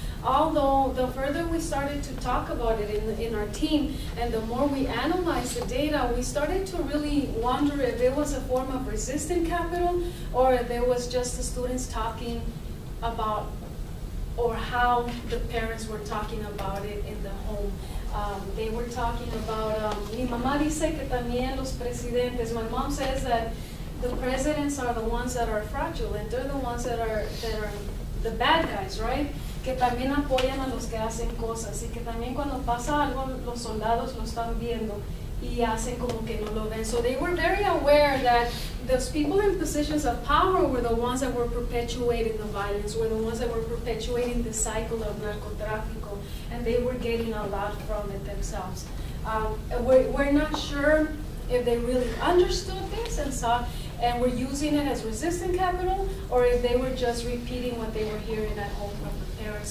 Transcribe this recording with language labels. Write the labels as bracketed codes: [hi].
[en] Although the further we started to talk about it in our team, and the more we analyzed the data, we started to really wonder if it was a form of resistant capital, or if it was just the students talking about, or how the parents were talking about it in the home. They were talking about, [es] mi mamá dice que también los presidentes, [en] my mom says that the presidents are the ones that are fraudulent, they're the ones that are the bad guys, right? [es] Que también apoyan a los que hacen cosas, y que también cuando pasa algo, los soldados lo están viendo, y hacen como que no lo ven. [en] So they were very aware that those people in positions of power were the ones that were perpetuating the violence, were the ones that were perpetuating the cycle of narcotráfico, and they were getting a lot from it themselves. We're not sure if they really understood this and saw, and were using it as resistant capital, or if they were just repeating what they were hearing at home from the parents.